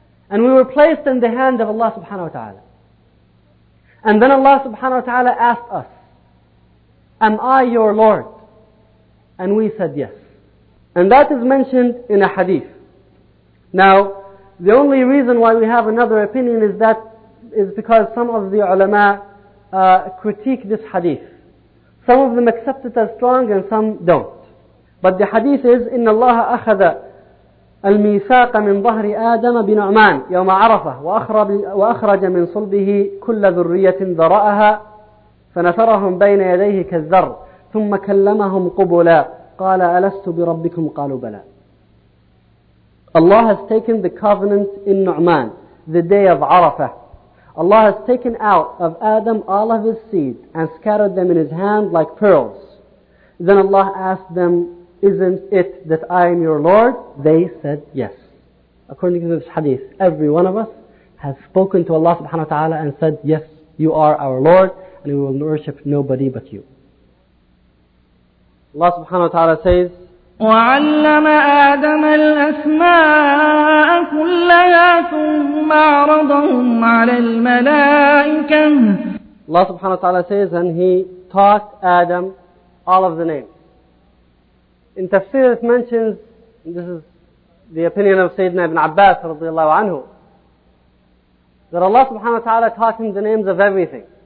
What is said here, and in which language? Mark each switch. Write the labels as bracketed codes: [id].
[en] And we were placed in the hand of Allah subhanahu wa ta'ala. And then Allah subhanahu wa ta'ala asked us, am I your Lord? And we said yes. And that is mentioned in a hadith. Now, the only reason why we have another opinion is that is because some of the ulama critique this hadith. Some of them accept it as strong and some don't. But the hadith is, [ar] إِنَّ اللَّهَ أَخَذَ الْمِيثَاقَ مِنْ ظَهْرِ آدَمَ بِنُعْمَانَ يَوْمَ عَرَفَهُ وَأَخْرَجَ مِنْ صُلْبِهِ كُلَّ ذُرِّيَّةٍ ذَرَأَهَا فَنَثَرَهُمْ بَيْنَ يَدَيْهِ كَالذَّرِّ ثُمَّ كَلَّمَهُمْ قُبُلًا قَالَ أَلَسْتُ بِرَبِّكُمْ قَالُوا بَلَى. [en] Allah has taken the covenant in Nu'man, the day of Arafah. Allah has taken out of Adam all of his seed and scattered them in his hand like pearls. Then Allah asked them, isn't it that I am your Lord? They said yes. According to this hadith, every one of us has spoken to Allah subhanahu wa ta'ala and said, yes, you are our Lord, and we will worship nobody but you. Allah subhanahu wa ta'ala says, [ar] وعلم آدم الأسماء كلها ثم عرضهم على الملائكة. [en] Allah subhanahu wa ta'ala says, and he taught Adam all of the names. In tafsir it mentions, and this is the opinion of Sayyidina Ibn Abbas radiallahu anhu, that Allah subhanahu wa ta'ala taught him the names of everything.